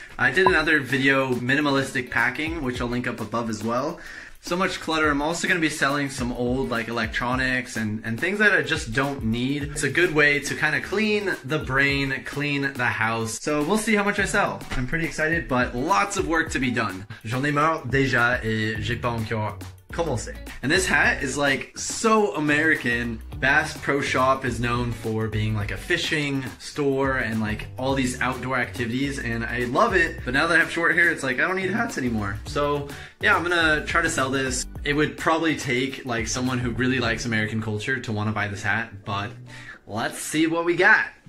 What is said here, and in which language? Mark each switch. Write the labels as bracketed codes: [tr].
[en] I did another video, minimalistic packing, which I'll link up above as well. So much clutter. I'm also gonna be selling some old like electronics and things that I just don't need. It's a good way to kind of clean the brain, clean the house. So we'll see how much I sell. I'm pretty excited, but lots of work to be done. [fr] J'en ai marre déjà et j'ai pas encore. [en] And this hat is like so American. Bass Pro Shop is known for being like a fishing store and like all these outdoor activities and I love it. But now that I have short hair, it's like I don't need hats anymore. So yeah, I'm gonna try to sell this. It would probably take like someone who really likes American culture to want to buy this hat, but let's see what we got.